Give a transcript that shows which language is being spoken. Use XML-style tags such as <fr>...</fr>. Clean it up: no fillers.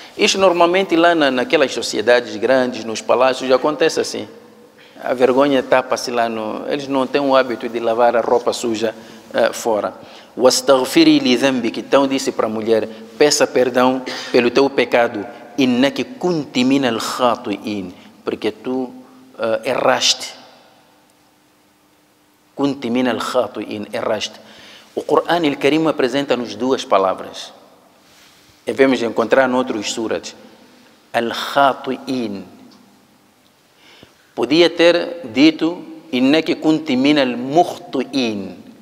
<pt>Isso normalmente lá naquelas sociedades grandes, nos palácios, já acontece assim. A vergonha tapa-se lá no... Eles não têm o hábito de lavar a roupa suja fora.</pt> <ar>وَاسْتَغْفِرِ لِذَنْبِكِ</ar> <pt>Então disse para a mulher, peça perdão pelo teu pecado.</pt> <ar>إِنَّكِ كُنْتِ مِنَ الْخَاطِئِينَ</ar> <pt>Porque tu erraste.</pt> <ar>كُنْتِ مِنَ الْخَاطِئِينَ</ar> <pt>Erraste. O Corão Al-Karim apresenta-nos duas palavras. E vemos encontrar em outros surat. Al-Khatu'in. Podia ter dito</pt> <ar>Inneke kuntimin al-Mukhtu'in.</ar>